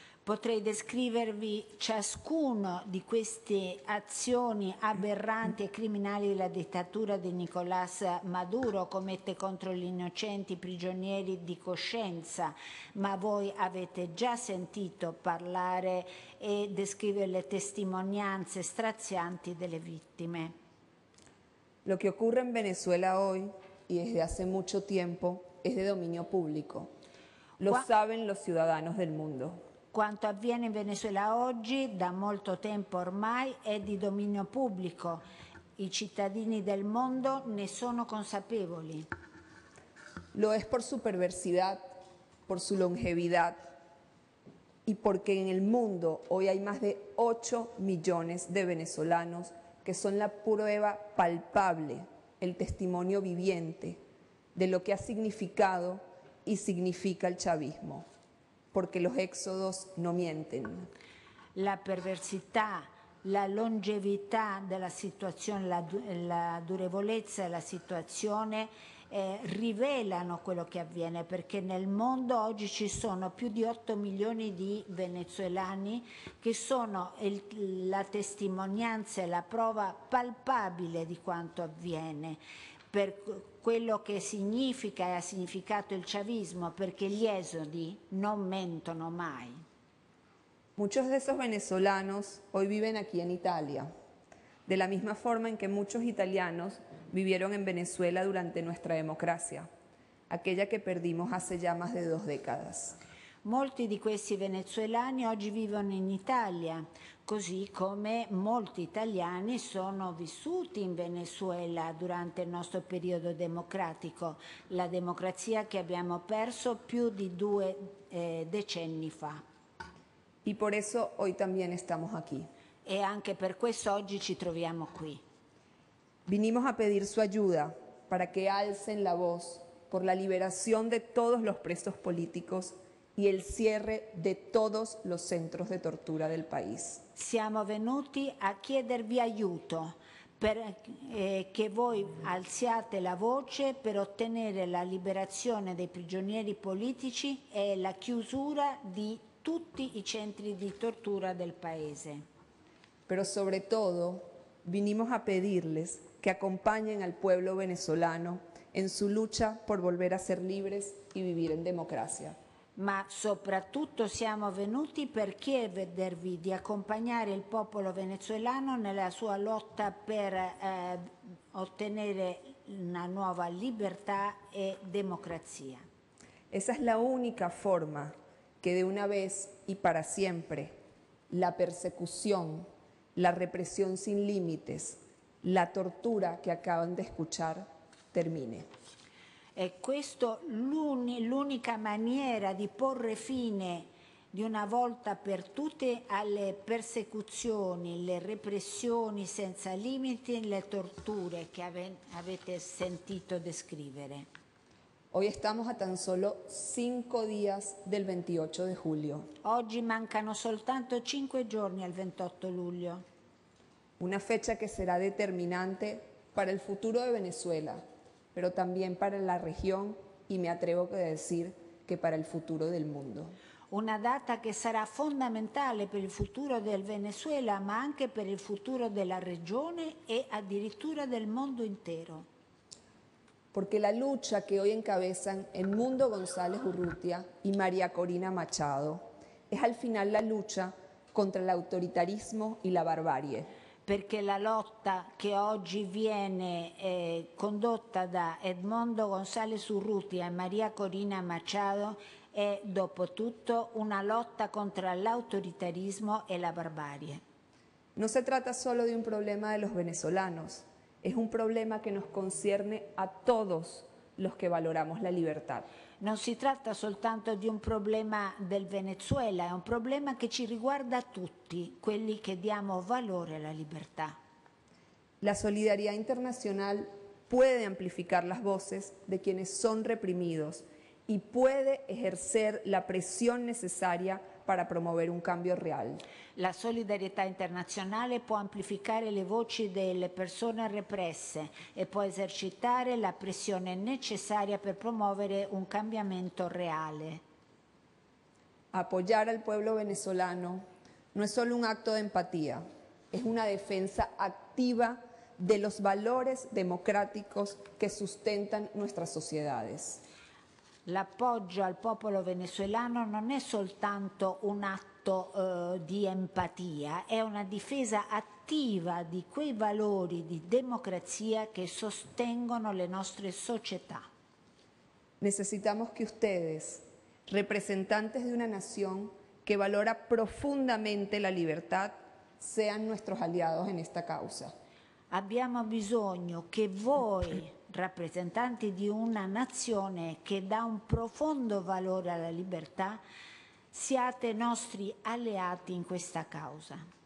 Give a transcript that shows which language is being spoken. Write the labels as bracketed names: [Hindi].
[Italian] Potrei descrivervi ciascuno di queste azioni aberranti e criminali della dittatura di Nicolás Maduro commette contro gli innocenti prigionieri di coscienza, ma voi avete già sentito parlare e descrivere le testimonianze strazianti delle vittime. [Spanish] Lo que ocurre en Venezuela hoy y desde hace mucho tiempo es de dominio público. Lo saben los ciudadanos del mundo. [Italian] Quanto avviene in Venezuela oggi, da molto tempo ormai, è di dominio pubblico. I cittadini del mondo ne sono consapevoli. [Spanish] Lo es por su perversidad, por su longevidad y porque en el mundo hoy hay más de 8 millones de venezolanos que son la prueba palpable, el testimonio viviente de lo que ha significado y significa el chavismo, porque los éxodos no mienten. [Italian] La perversità, la longevità della situazione, la durevolezza della situazione rivelano quello che avviene, perché nel mondo oggi ci sono più di 8 milioni di venezuelani che sono la testimonianza e la prova palpabile di quanto avviene, per quello che significa e ha significato il chavismo, perché gli esodi non mentono mai. [Spanish] Muchos de esos venezolanos hoy viven aquí en Italia, de la misma forma en que muchos italianos vivieron en Venezuela durante nuestra democracia, aquella que perdimos hace ya más de 2 décadas. [Italian] Molti di questi venezuelani oggi vivono in Italia, così come molti italiani sono vissuti in Venezuela durante il nostro periodo democratico, la democrazia che abbiamo perso più di 2 decenni fa. [Spanish] Y por eso hoy también estamos aquí. [Italian] E anche per questo oggi ci troviamo qui. [Spanish] Vinimos a pedir su ayuda para que alcen la voz por la liberación de todos los presos políticos y el cierre de todos los centros de tortura del país. [Italian] Siamo venuti a chiedervi aiuto per che voi alziate la voce per ottenere la liberazione dei prigionieri politici e la chiusura di tutti i centri di tortura del paese. [Spanish] Pero sobre todo vinimos a pedirles que acompañen al pueblo venezolano en su lucha por volver a ser libres y vivir en democracia. [Italian] Ma soprattutto siamo venuti per chiedervi di accompagnare il popolo venezuelano nella sua lotta per ottenere una nuova libertà e democrazia. [Spanish] Esa es la única forma que de una vez y para siempre la persecución, la represión sin límites, la tortura que acaban de escuchar termine. [Italian] E questo l'unica maniera di porre fine di una volta per tutte alle persecuzioni, le repressioni senza limiti, le torture che avete sentito descrivere. [Spanish] Hoy estamos a tan solo 5 días del 28 de julio. [Italian] Oggi mancano soltanto 5 giorni al 28 luglio. [Spanish] Una fecha que será determinante para el futuro de Venezuela, pero también para la región y me atrevo a decir que para el futuro del mundo. [Italian] Una data que será fondamentale per il futuro del Venezuela, ma anche per il futuro della regione e addirittura del mondo intero. [Spanish] Porque la lucha que hoy encabezan Edmundo González Urrutia y María Corina Machado es al final la lucha contra el autoritarismo y la barbarie. Porque la lucha que hoy [Italian] viene condotta da [Spanish] Edmundo González Urrutia y María Corina Machado es, [Italian] dopo tutto, [Spanish] una lucha contra el autoritarismo y la barbarie. No se trata solo de un problema de los venezolanos. Es un problema que nos concierne a todos los que valoramos la libertad. [Italian] Non si tratta soltanto di un problema del Venezuela, è un problema che ci riguarda tutti, quelli che diamo valore alla libertà. [Spanish] La solidaridad internacional puede amplificar las voces de quienes son reprimidos y puede ejercer la presión necesaria para promover un cambio real. [Italian] La solidarietà internazionale può amplificare le voci delle persone represse e può esercitare la pressione necessaria per promuovere un cambiamento reale. [Spanish] Apoyar al pueblo venezolano no es solo un acto de empatía, es una defensa activa de los valores democráticos que sustentan nuestras sociedades. [Italian] L'appoggio al popolo venezuelano non è soltanto un atto di empatia, è una difesa attiva di quei valori di democrazia che sostengono le nostre società. [Spanish] Necesitamos que ustedes, representantes de una nación que valora profundamente la libertad, sean nuestros aliados en esta causa. [Italian] Abbiamo bisogno che voi, rappresentanti di una nazione che dà un profondo valore alla libertà, siate nostri alleati in questa causa.